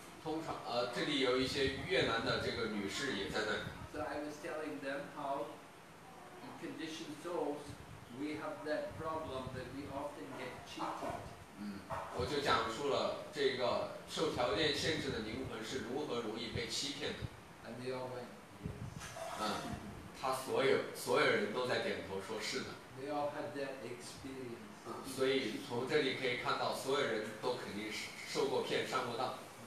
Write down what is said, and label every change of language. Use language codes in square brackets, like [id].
[zh] 通常这里有一些越南的这个女士也在那。 [en] So I was telling them how in conditioned souls we have that problem that we often get cheated. [zh] 我就讲述了这个受条件限制的灵魂是如何容易被欺骗的。 [en] And they all went, yes. [zh] 他所有人都在点头说是的。 [en] They all had that experience. [zh] 所以从这里可以看到，所有人都肯定是受过骗、上过当。